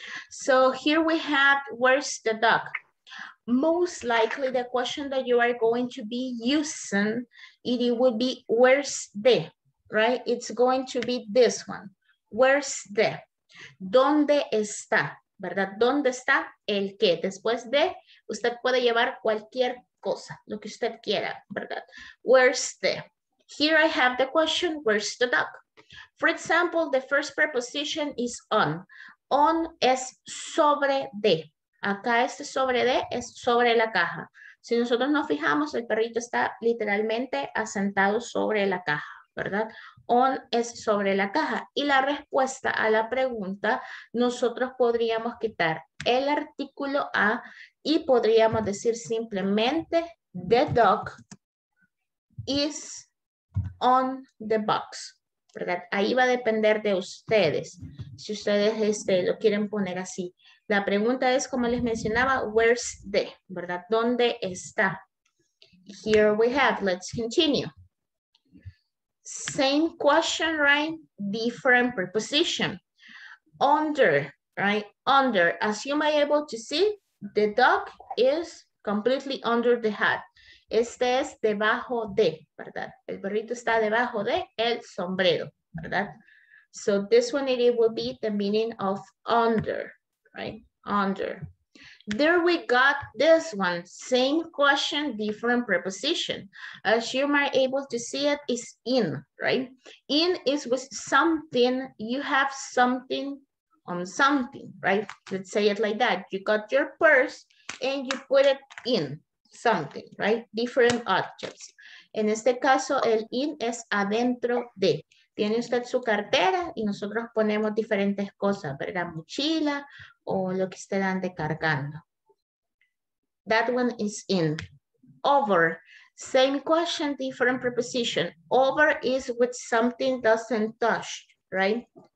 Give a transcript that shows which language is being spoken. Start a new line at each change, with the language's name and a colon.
English: So here we have, where's the dog? Most likely the question that you are going to be using, it would be, where's the, right? It's going to be this one, where's the?
Spanish: ¿Dónde está? ¿Verdad? ¿Dónde está el qué? Después de, usted puede llevar cualquier cosa, lo que usted quiera, ¿verdad?
English: Where's the? Here I have the question, where's the dog? For example, the first preposition is on. On
Spanish: es sobre de. Acá este sobre de es sobre la caja. Si nosotros nos fijamos, el perrito está literalmente asentado sobre la caja, ¿verdad? On es sobre la caja. Y la respuesta a la pregunta, nosotros podríamos quitar el artículo a y podríamos decir simplemente
English: the dog is on the box,
Spanish: ¿verdad? Ahí va a depender de ustedes, si ustedes lo quieren poner así. La pregunta es, como les mencionaba,
English: where's the,
Spanish: ¿verdad? ¿Dónde está?
English: Here we have, let's continue. Same question, right? Different preposition. Under, right? Under. As you may be able to see, the dog is completely under the hat.
Spanish: Este es debajo de, ¿verdad? El perrito está debajo de el sombrero, ¿verdad?
English: So this one, it will be the meaning of under, right? Under. There we got this one, same question, different preposition. As you might able to see it, it's in, right? In is with something, you have something on something, right? Let's say it like that. You got your purse and you put it in something, right? Different objects.
Spanish: En este caso, el in es adentro de. Tiene usted su cartera y nosotros ponemos diferentes cosas, ¿verdad? Mochila o lo que usted ande cargando.
English: That one is in. Over. Same question, different preposition. Over is with something doesn't touch, right?